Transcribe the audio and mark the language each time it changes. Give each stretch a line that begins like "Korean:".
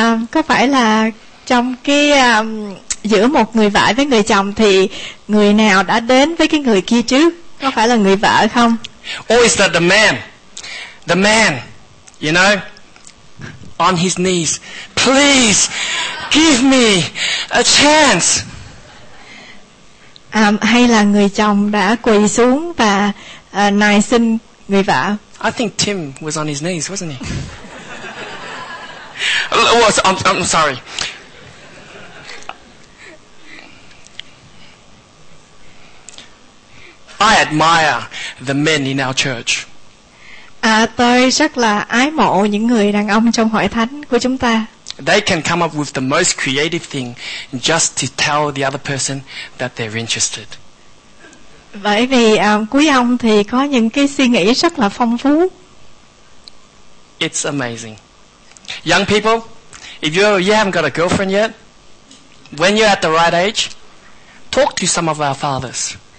Vietnamese: Có phải là trong cái giữa một người vợ với người chồng thì người nào đã đến với cái người kia chứ? Có phải là người vợ không?
English: Or is that the man, you know, on his knees, "Please give me a chance"?
Vietnamese: Hay là người chồng đã quỳ xuống và nài xin người vợ?
English: I think Tim was on his knees, wasn't he? I'm sorry. I admire the men in our church.
Vietnamese: Tôi rất là ái mộ những người đàn ông trong hội thánh của chúng ta.
English: They can come up with the most creative thing just to tell the other person that they're interested.
Vietnamese: Bởi vì quý ông thì có những cái suy nghĩ rất là phong phú.
English: It's amazing. Young people, if you haven't got a girlfriend yet, when you're at the right age, talk to some of our fathers.